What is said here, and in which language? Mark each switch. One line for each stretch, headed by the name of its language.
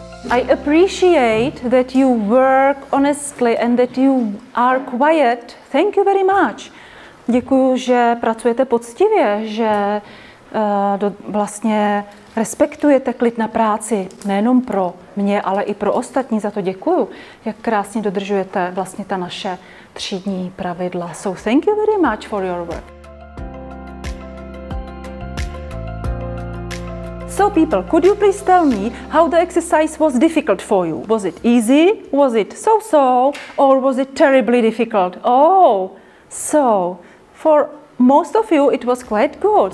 English: I appreciate that you work honestly and that you are quiet. Thank you very much.
Czech: Děkuju, že pracujete poctivě, že vlastně respektujete klid na práci, nejenom pro mě, ale i pro ostatní. Za to děkuju, jak krásně dodržujete vlastně ta naše třídní pravidla.
English: So thank you very much for your work. So people, could you please tell me how the exercise was difficult for you? Was it easy? Was it so-so? Or was it terribly difficult? Oh, so for most of you it was quite good.